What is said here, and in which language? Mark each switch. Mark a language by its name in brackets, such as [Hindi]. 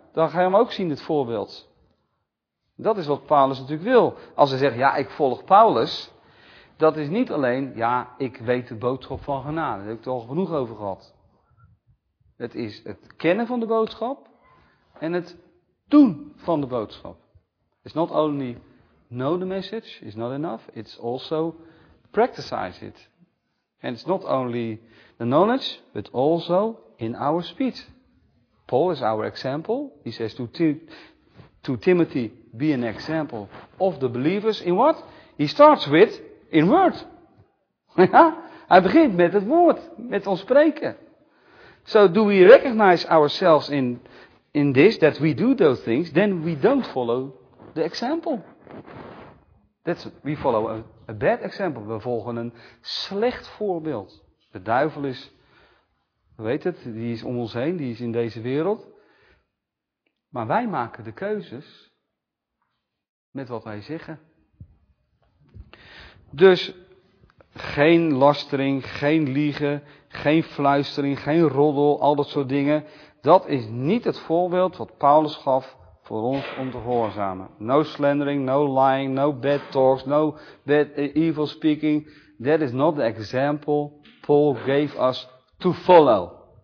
[Dutch] Dan ga je hem ook zien, dit voorbeeld. Dat is wat Paulus natuurlijk wil. Als ze zeggen, ja, ik volg Paulus. Dat is niet alleen, ja, ik weet de boodschap van genade. Daar heb ik er al genoeg over gehad. Het is het kennen van de boodschap. En het doen van de boodschap. [English] It's not only know the message, it's not enough. It's also practice it. And it's not only the knowledge, but also in our speech. Paul is our example. He says to Timothy, be an example of the believers in what? He starts with in word. [Dutch] Ja, hij begint met het woord, met ons spreken. [English] So do we recognize ourselves in this, that we do those things, then we don't follow the example. We follow a bad example. [Dutch] We volgen een slecht voorbeeld. De duivel is, weet het, die is om ons heen, die is in deze wereld. Maar wij maken de keuzes met wat wij zeggen. Dus geen lastering, geen liegen, geen fluistering, geen roddel, al dat soort dingen. Dat is niet het voorbeeld wat Paulus gaf voor ons om te gehoorzamen. [English] No slandering, no lying, no bad talks, no bad evil speaking. That is not the example Paul gave us to follow.